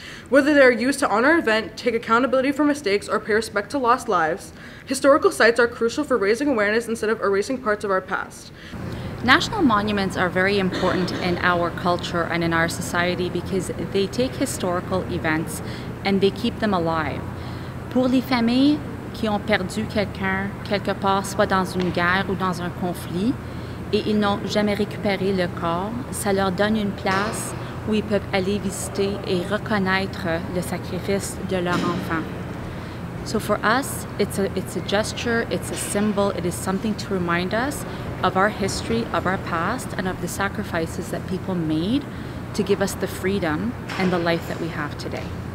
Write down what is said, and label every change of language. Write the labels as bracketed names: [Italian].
[English] Whether they are used to honor an event, take accountability for mistakes, or pay respect to lost lives, historical sites are crucial for raising awareness instead of erasing parts of our past. National monuments are very important in our culture and in our society because they take historical events and they keep them alive. [French] Pour les familles, qui ont perdu quelqu'un quelque part, soit dans une guerre ou dans un conflit, et ils n'ont jamais récupéré le corps, ça leur donne une place où ils peuvent aller visiter et reconnaître le sacrifice de leur enfant. [English] So for us, it's a gesture, it's a symbol, it is something to remind us of our history, of our past, and of the sacrifices that people made to give us the freedom and the life that we have today.